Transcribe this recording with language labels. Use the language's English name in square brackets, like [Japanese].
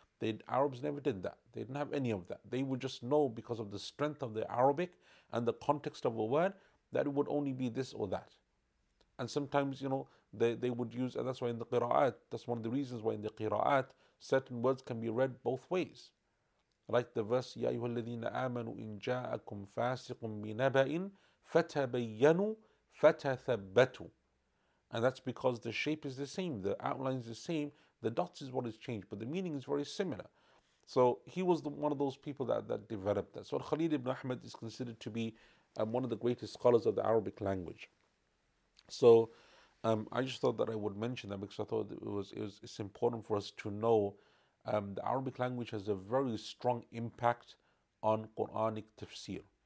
[English] The Arabs never did that. They didn't have any of that. They would just know, because of the strength of the Arabic and the context of a word, that it would only be this or that. And sometimes, you know, they would use, and that's why in the Qira'at, that's one of the reasons why in the Qira'at, certain words can be read both ways. Like the verse, [Arabic] يَا أَيُّهَا الَّذِينَ آمَنُوا إِن جَاءَكُمْ فَاسِقٌ بِنَبَئٍ فَتَبَيَّنُوا فَتَثَبَّتُوا. [English] And that's because the shape is the same, the outline is the same, the dots is what has changed, but the meaning is very similar. So he was one of those people that developed that. So Khalid ibn Ahmad is considered to be one of the greatest scholars of the Arabic language. So I just thought that I would mention that, because I thought it's important for us to know the Arabic language has a very strong impact on Quranic tafsir.